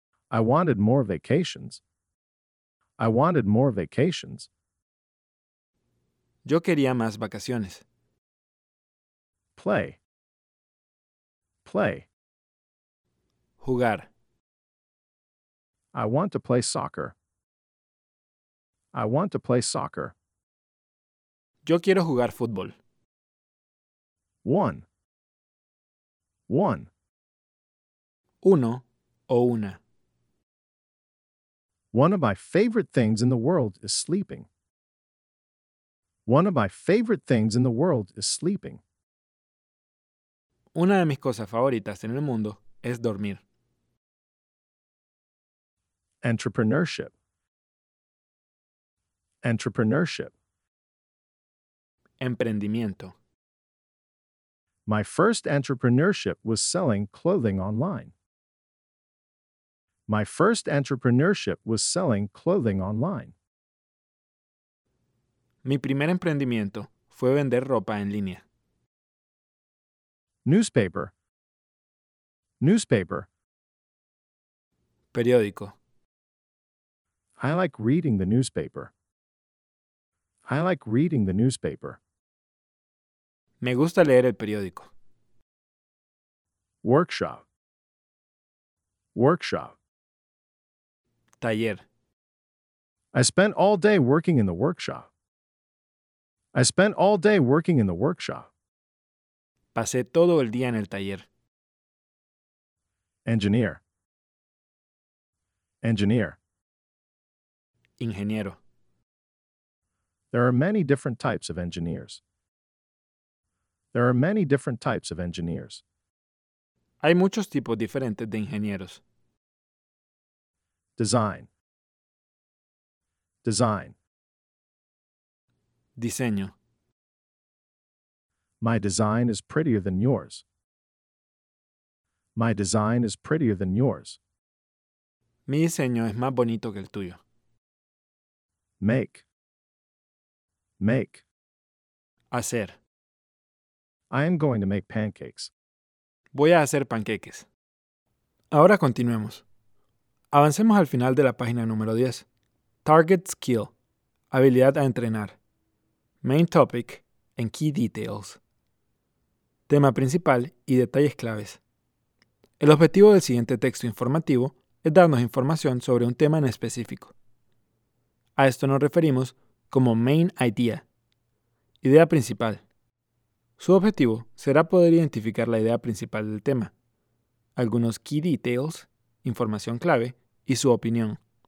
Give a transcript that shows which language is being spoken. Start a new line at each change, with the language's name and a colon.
English: I wanted more vacations. I wanted more vacations.
Spanish: Yo quería más vacaciones.
English: Play. Play.
Spanish: Jugar.
English: I want to play soccer. I want to play soccer.
Spanish: Yo quiero jugar fútbol.
English: One. One.
Spanish: Uno o una.
English: One of my favorite things in the world is sleeping. One of my favorite things in the world is sleeping.
Spanish: Una de mis cosas favoritas en el mundo es dormir.
English: Entrepreneurship. Entrepreneurship.
Spanish: Emprendimiento.
English: My first entrepreneurship was selling clothing online. My first entrepreneurship was selling clothing online.
Spanish: Mi primer emprendimiento fue vender ropa en línea.
English: Newspaper. Newspaper.
Spanish: periódico.
English: I like reading the newspaper. I like reading the newspaper.
Spanish: Me gusta leer el periódico.
English: Workshop. Workshop.
Spanish: Taller.
English: I spent all day working in the workshop. I spent all day working in the workshop.
Spanish: Pasé todo el día en el taller.
English: Engineer. Engineer.
Spanish: Ingeniero.
English: There are many different types of engineers. There are many different types of engineers.
Spanish: Hay muchos tipos diferentes de ingenieros.
English: Design. Design.
Spanish: Diseño.
English: My design is prettier than yours. My design is prettier than yours.
Spanish: Mi diseño es más bonito que el tuyo.
English: Make. Make.
Spanish: Hacer.
English: I am going to make pancakes.
Spanish: Voy a hacer panqueques. Ahora continuemos. Avancemos al final de la página número 10.
English: Target skill.
Spanish: Habilidad a entrenar.
English: Main topic and key details.
Spanish: Tema principal y detalles claves. El objetivo del siguiente texto informativo es darnos información sobre un tema en específico. A esto nos referimos como main idea, idea principal. Su objetivo será poder identificar la idea principal del tema, algunos key details, información clave, y su opinión.